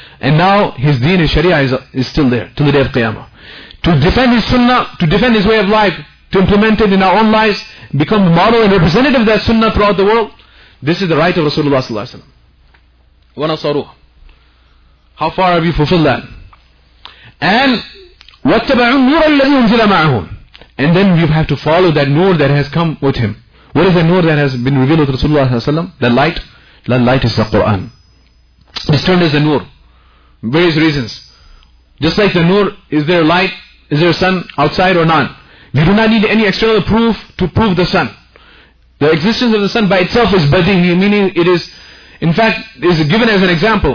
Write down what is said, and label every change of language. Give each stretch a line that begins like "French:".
English: And now his deen, his sharia is still there, till the day of Qiyamah. To defend his sunnah, to defend his way of life, to implement it in our own lives, become the model and representative of that sunnah throughout the world, this is the right of Rasulullah sallallahu alaihi wasallam.
Arabic: وَنَصَرُوا.
English: How far have you fulfilled that?
Arabic: And وَاتَّبَعُوا النُّورَ الَّذِي أُنْزِلَ مَعَهُمْ.
English: And then you have to follow that nur that has come with him. What is the nur that has been revealed with Rasulullah sallallahu alaihi wasallam? The light is the Qur'an. It's turned as a nur. Various reasons. Just like the nur, is there light, is there sun outside or not? You do not need any external proof to prove the sun. The existence of the sun by itself is badihi, meaning it is, in fact, is given as an example.